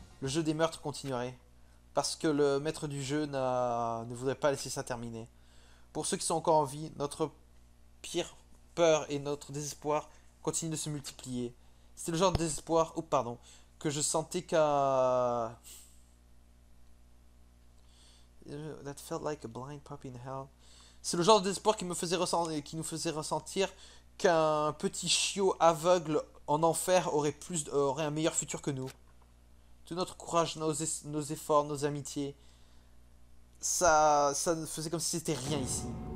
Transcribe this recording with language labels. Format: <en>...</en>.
<fr>Le jeu des meurtres continuerait. Parce que le maître du jeu ne voudrait pas laisser ça terminer. Pour ceux qui sont encore en vie, notre pire peur et notre désespoir continuent de se multiplier. C'est le genre de désespoir, oh pardon, que je sentais qu'à...</fr> <en>That felt like a blind puppy in hell.</en> <fr>C'est le genre de désespoir qui nous faisait ressentir qu'un petit chiot aveugle en enfer aurait un meilleur futur que nous. Tout notre courage, nos efforts, nos amitiés, ça faisait comme si c'était rien ici.</fr>